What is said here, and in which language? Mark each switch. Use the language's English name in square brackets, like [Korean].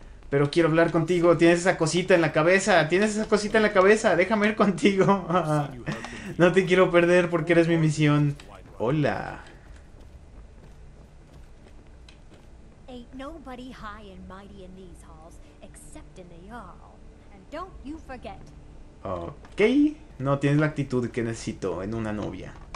[Spanish] Pero quiero hablar contigo. Tienes esa cosita en la cabeza. Tienes esa cosita en la cabeza. Déjame ir contigo. No te quiero perder porque eres mi misión. Hola. [English] Nobody high and mighty in these halls, except in the Jarl. And don't you forget. [Spanish] Ok, no tienes la actitud que necesito en una novia.